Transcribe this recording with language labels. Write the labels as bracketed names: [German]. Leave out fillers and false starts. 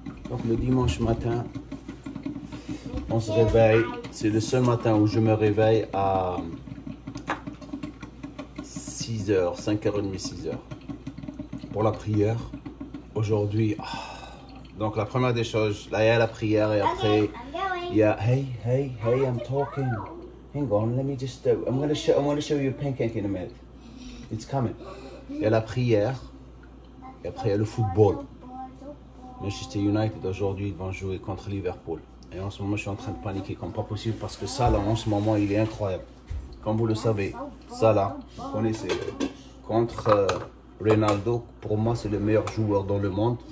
[French] Donc le dimanche matin, on se réveille. C'est le seul matin où je me réveille à 6h, 5h30, 6h. Pour la prière. Aujourd'hui, donc la première des choses, là il y a la prière et après. Okay. [English] Yeah, hey, I'm talking. Hang on, let me just, I'm gonna show you a pancake in a minute. It's coming. [French] Il y a la prière, et après il y a le football. Manchester United aujourd'hui vont jouer contre Liverpool. Et en ce moment, je suis en train de paniquer comme pas possible parce que ça là, en ce moment, il est incroyable. Comme vous le savez, ça là, vous connaissez, contre Ronaldo, pour moi, c'est le meilleur joueur dans le monde.